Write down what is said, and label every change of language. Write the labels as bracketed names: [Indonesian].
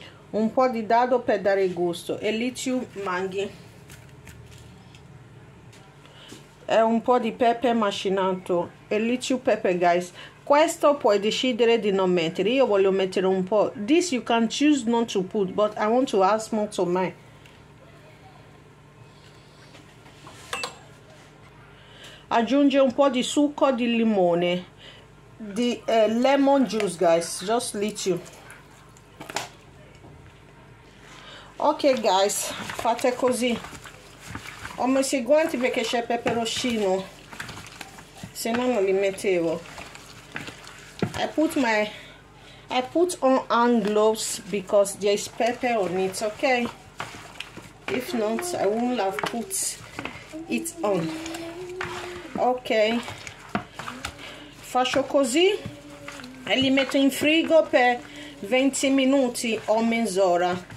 [Italian] Un po' di dado per dare gusto, [English] a little manghi. [Italian] È un po' di pepe macinato e [English] little pepe, guys. [Italian] Questo puoi decidere di non mettere. Io voglio mettere un po'. [English] This you can choose not to put, but I want to add more to mine. [Italian] Aggiunge un po' di succo di limone, di [English] lemon juice, guys. Just little. Okay, guys, [Italian] fate così. Ho messo I guanti perché c'è peperoncino, se no non li mettevo. [English] I put on hand gloves because there is pepper on it, okay? If not, I wouldn't have put it on. Okay. [Italian] Faccio così e li metto in frigo per 20 minuti o mezz'ora.